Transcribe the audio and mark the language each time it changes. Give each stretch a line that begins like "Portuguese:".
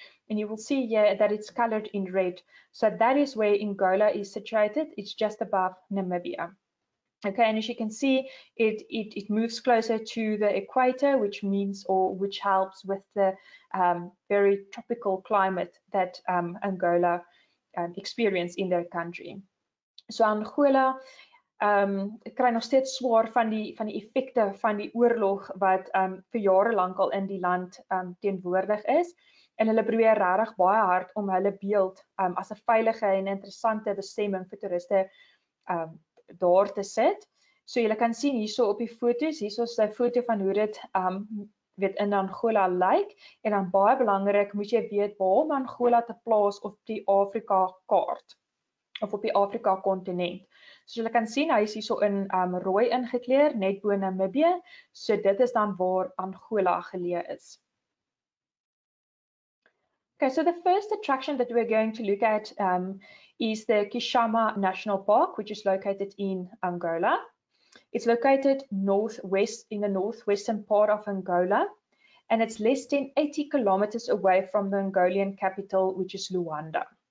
English: And you will see here that it's colored in red. So that is where Angola is situated. It's just above Namibia. Okay, and as you can see, it moves closer to the equator, which means or which helps with the very tropical climate that Angola experience in their country.
Afrikaans: So Angola kry nog steeds swaar van die effekte van die oorlog wat vir jare lank al in die land teenwoordig is, en hulle probeer regtig baie hard om hulle beeld as 'n veilige en interessante bestemming vir toeriste daar te sit. So julle kan sien hierso op die foto's, hierso is 'n foto van hoe dit weet in Angola lyk, en dan baie belangrik, moet jy weet waar om Angola te plaas op die Afrika kaart of op die Afrika kontinent. So jy kan sien, hy is hier so in rooi ingekleer, net bo Namibië, so dit is dan waar Angola geleë is.
English: Okay, so the first attraction that we're going to look at is the Kishama National Park, which is located in Angola. It's located northwest in the northwestern part of Angola, and it's less than 80 kilometers away from the Angolan capital, which is Luanda.